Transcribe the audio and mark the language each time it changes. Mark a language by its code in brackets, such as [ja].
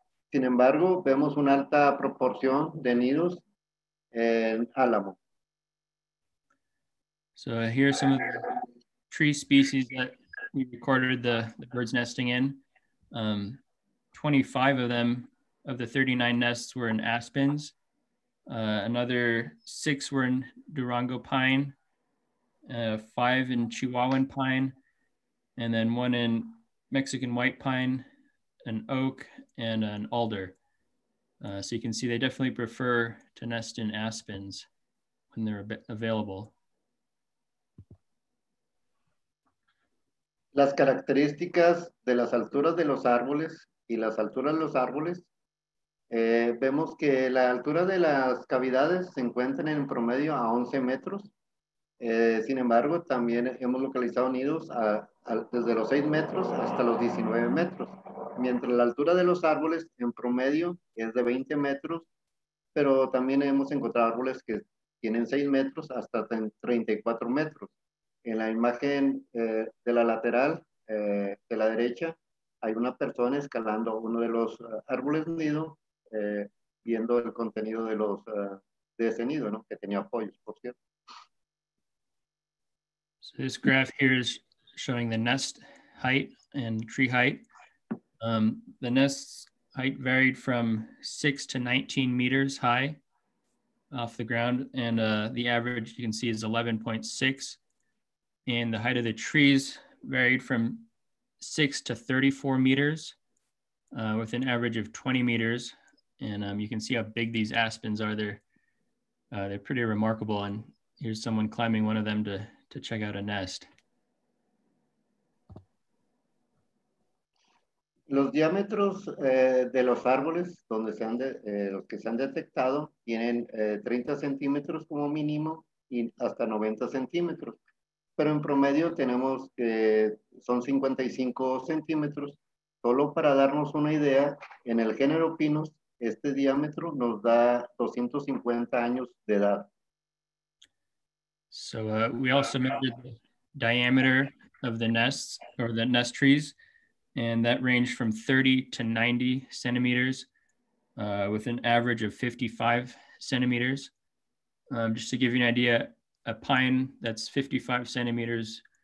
[es] Sin embargo, vemos una alta proporción de nidos en álamo. [en] So here are some of the tree species that we recorded the birds nesting in. 25 of them, of the 39 nests, were in aspens. Another 6 were in Durango pine, 5 in Chihuahuan pine, and then 1 in Mexican white pine, an oak, and an alder. So you can see they definitely prefer to nest in aspens when they're available. [es] Las características de las alturas de los árboles y las alturas de los árboles. Vemos que la altura de las cavidades se encuentra en promedio a 11 metros. Sin embargo, también hemos localizado nidos desde los 6 metros hasta los 19 metros. Mientras la altura de los árboles en promedio es de 20 metros, pero también hemos encontrado árboles que tienen 6 metros hasta 34 metros. En la imagen de la lateral de la derecha, hay una persona escalando uno de los árboles nido. Viendo el contenido de los de ese nido, ¿no? Que tenía apoyos, por cierto. [en] So this graph here is showing the nest height and tree height. The nest height varied from 6 to 19 meters high off the ground, and the average you can see is 11.6. And the height of the trees varied from 6 to 34 meters with an average of 20 meters. And you can see how big these aspens are. They're pretty remarkable. And here's someone climbing one of them to check out a nest. [es] Los diámetros de los árboles donde se han los que se han detectado tienen 30 centímetros como mínimo y hasta 90 centímetros. Pero en promedio tenemos que son 55 centímetros. Solo para darnos una idea, en el género Pinus, este diámetro nos da 250 años de edad. [en] So we also measured the diameter of the nests or the nest trees, and that ranged from 30 to 90 centimeters with an average of 55 centimeters. Just to give you an idea, a pine that's 55 centimeters